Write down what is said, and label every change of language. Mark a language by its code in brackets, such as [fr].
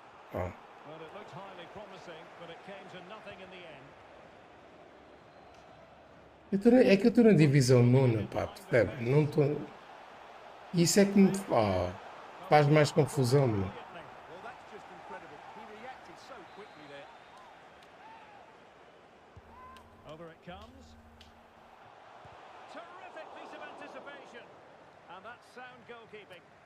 [en] Well, it looked highly promising, but it came to nothing in the end. [pt] É que eu estou na divisão nona, pá, percebe? Não estou. Isso é que me faz mais confusão, meu. [en] Well, that's just incredible. He reacted so quickly there. Over it comes. Terrific piece of anticipation. And that sound goalkeeping.